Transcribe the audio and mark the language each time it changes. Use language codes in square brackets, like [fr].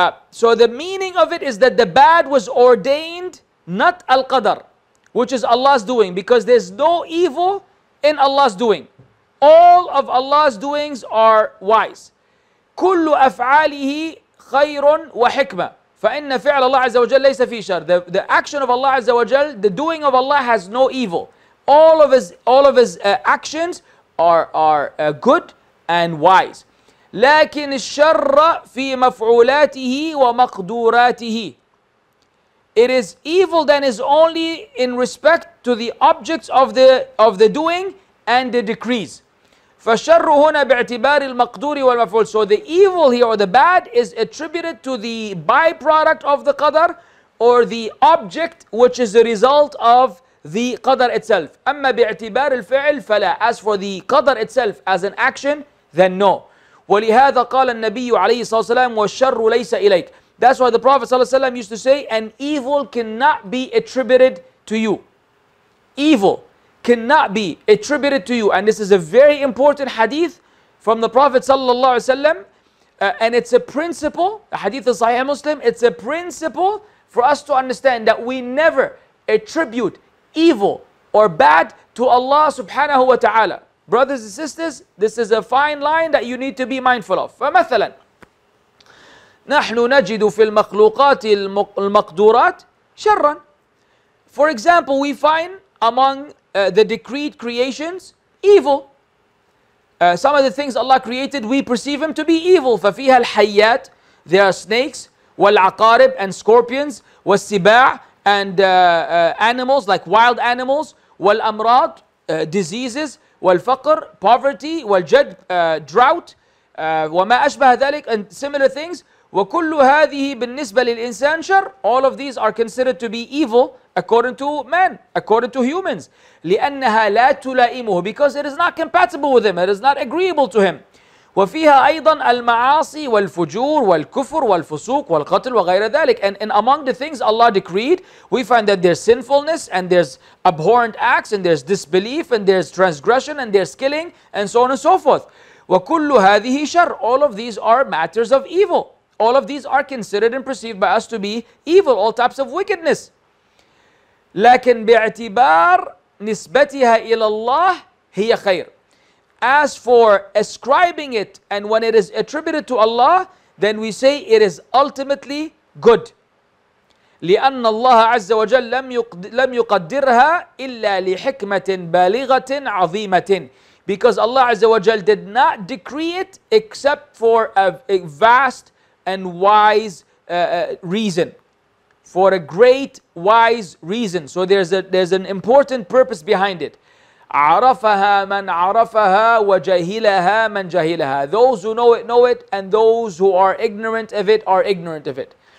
[en] So the meaning of it is that the bad was ordained, not Al-Qadr, which is Allah's doing, because there's no evil in Allah's doing. All of Allah's doings are wise. [ar] كل أفعاله خير وحكمة فإن فعل الله عز وجل ليس في شر. [en] The action of Allah عز وجل, the doing of Allah has no evil. All of his actions are good and wise. [ar] لكن الشر في مفعولاته ومقدوراته. [en] It is evil then is only in respect to the objects of the doing and the decrees. [ar] فشر هنا باعتبار المقدور والمفعول. [en] So the evil here or the bad is attributed to the byproduct of the qadr or the object which is the result of the qadr itself. [ar] أما باعتبار الفعل فلا. [en] As for the qadr itself as an action, then no. [ar] ولهذا قال النبي عليه الصلاة والسلام والشر ليس إليك. [en] That's why the Prophet sallallahu alaihi wasallam used to say, an evil cannot be attributed to you. Evil cannot be attributed to you. And this is a very important hadith from the Prophet sallallahu alaihi wasallam, and it's a principle, a hadith in Sahih Muslim. It's a principle for us to understand that we never attribute evil or bad to Allah subhanahu wa ta'ala. Brothers and sisters, this is a fine line that you need to be mindful of. [ar] فمثلا نحن نجد في المخلوقات المقدورات شرا. [en] For example, we find among the decreed creations evil. Some of the things Allah created, we perceive Him to be evil. [ar] فَفِيهَا الْحَيَّاتِ [en] There are snakes, [ar] وَالْعَقَارِبِ [en] and scorpions, [ar] وَالسِّبَاعِ [en] and animals, like wild animals, [ar] وَالْأَمْرَاضِ [en] diseases, [ar] وَالْفَقْرِ [en] poverty, [ar] وَالْجَدْ [en] drought, [ar] وَمَا أَشْبَهَ ذَلِكَ [en] and similar things. [ar] وَكُلُّ هَذِهِ بِالنِّسْبَ لِلْإِنسَانِ شَرْ [en] All of these are considered to be evil according to men, according to humans. [ar] لِأَنَّهَا لَا تُلَائِمُهُ [en] Because it is not compatible with him, it is not agreeable to him. [ar] وَفِيهَا أَيْضًا الْمَعَاصِي وَالْفُجُورِ وَالْكُفُرِ وَالْفُسُوقِ وَالْقَتْلِ وَغَيْرَ ذَلِكَ [en] And among the things Allah decreed, we find that there's sinfulness and there's abhorrent acts and there's disbelief and there's transgression and there's killing and so on and so forth. [ar] وَكُلُّ هَذِهِ شَرْ [en] All of these are matters of evil. All of these are considered and perceived by us to be evil, all types of wickedness. [ar] لكن باعتبار نسبتها إلى الله هي خير. [en] As for ascribing it, and when it is attributed to Allah, then we say it is ultimately good. [ar] لأن الله عز وجل لم يقدرها إلا لحكمة بالغة عظيمة. [en] Because Allah عز وجل did not decree it except for a vast and wise reason. For a great wise reason. So there's an important purpose behind it. [ar] عَرَفَهَا مَنْ عَرَفَهَا وَجَهِلَهَا مَنْ جَهِلَهَا [en] Those who know it, and those who are ignorant of it are ignorant of it.